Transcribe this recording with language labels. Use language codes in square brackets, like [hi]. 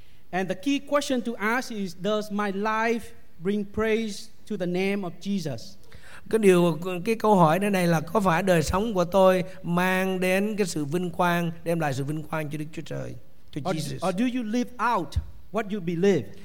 [en] And the key question to ask is, does my life bring praise to the name of Jesus? [vi] Cái câu hỏi đến đây là có phải đời sống của tôi mang đến cái sự vinh quang, đem lại sự vinh quang cho Đức Chúa Trời? [en] to Jesus? Or do you live out what you believe?